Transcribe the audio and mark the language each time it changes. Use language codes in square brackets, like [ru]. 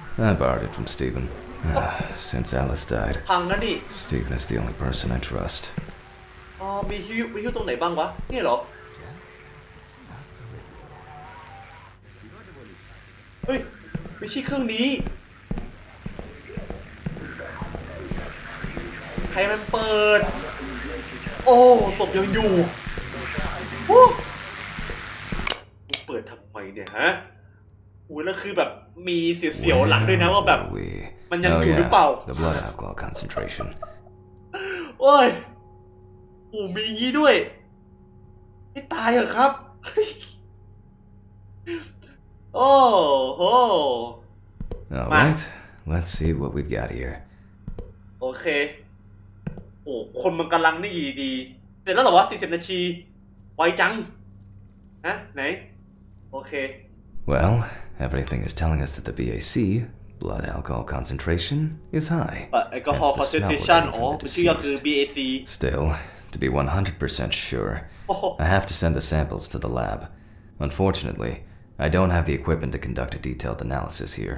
[en] I borrowed it from Stephen since Alice died [th] พังนะนี่ [en] Stephen is the only person I trust [th] มีฮิวตรงไหนบ้างวะนี่เหรอไม่ใช่เครื่องนี้ใครมันเปิดโอ้ศพยังอยู่เปิดทำไมเนี่ยฮะอุ้ยแล้วคือแบบมีเสียวๆหลังด้วยนะว่าแบบมันยังอยู่หรือเปล่า [en] The blood alcohol concentration [th] โอ้ยโอ้มีงี้ด้วยไม่ตายเหรอครับ [en] All right, let's see what we've got here. Okay. [th] Oh, คนมันกำลังนี่ดีดีเสร็จแล้วหรอวะ40นาทีไวจังฮะไหน Okay. [en] Well, everything is telling us that the BAC, blood alcohol concentration, is high. Alcohol concentration, the BAC. Still, to be 100% sure, I have to send the samples to the lab. Unfortunately, I don't have the equipment to conduct a detailed analysis here.